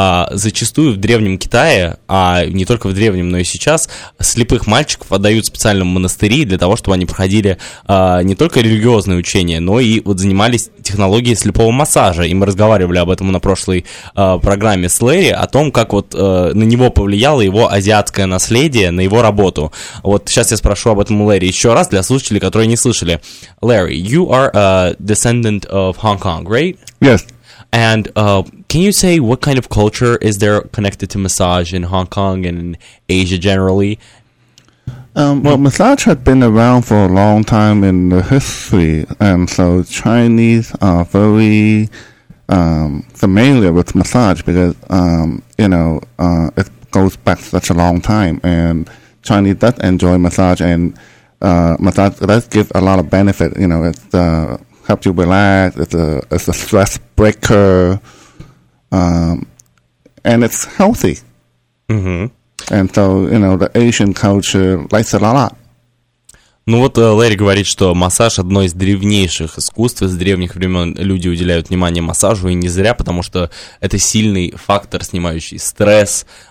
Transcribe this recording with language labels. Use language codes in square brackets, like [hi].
[ru] Зачастую в Древнем Китае, а не только в Древнем, но и сейчас, слепых мальчиков отдают специальному монастыри для того, чтобы они проходили не только религиозные учения, но и вот занимались технологией слепого массажа. И мы разговаривали об этом на прошлой программе с Лэри, о том, как вот на него повлияло его азиатское наследие, на его работу. Вот сейчас я спрошу об этом у Лэри еще раз для слушателей, которые не слышали. [en] Лэри, you are a descendant of Hong Kong, right? Yes. And can you say what kind of culture is there connected to massage in Hong Kong and in Asia generally? Well, massage had been around for a long time in the history, and so Chinese are very familiar with massage because, it goes back such a long time, and Chinese does enjoy massage, and massage does give a lot of benefit. You know, it's helps you relax, it's a stress breaker, and it's healthy. Mm-hmm. And so, you know, the Asian culture likes it a lot. [ru] Ну вот Лэри говорит, что массаж одно из древнейших искусств, из древних времен люди уделяют внимание массажу, и не зря, потому что это сильный фактор, снимающий стресс.